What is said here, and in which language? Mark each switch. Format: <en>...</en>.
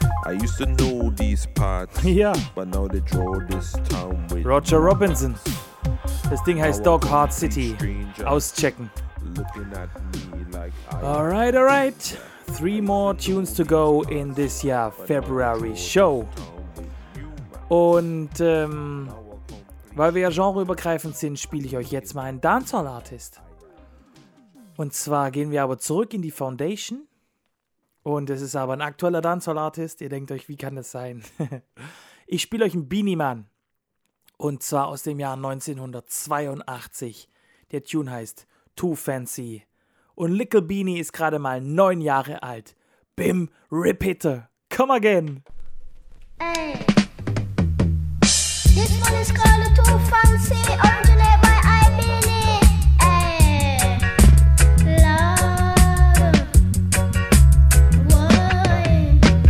<en>I used to know these parts, yeah, but now they draw this town with Roger Robinson. This thing has Dog Heart City.</en> <de>Auschecken.</de> <en>Looking at me like I am. Alright, alright. Three more tunes to go in this year, February show.</en> <de>Und weil wir ja genreübergreifend sind, spiele ich euch jetzt mal einen Dancehall-Artist. Und zwar gehen wir aber zurück in die Foundation. Und es ist aber ein aktueller Dancehall-Artist. Ihr denkt euch, wie kann das sein? Ich spiele euch einen Beanie Man. Und zwar aus dem Jahr 1982. Der Tune heißt Too Fancy. Und Little Beanie ist gerade mal 9 Jahre alt.</de> <en>Bim, rip it. Come again. Ey. This one is called Too Fancy, originated by Ibini. Ayy, Lord, why?</en>